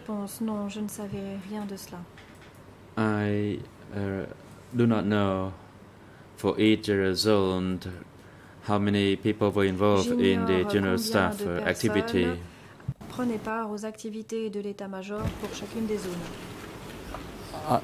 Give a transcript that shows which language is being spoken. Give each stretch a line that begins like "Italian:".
French: Réponse, non, je ne savais rien de cela.
English: I do not know for each zone how many people were involved in the general staff activity.
French: Prenez part aux activités de l'état-major pour chacune des zones.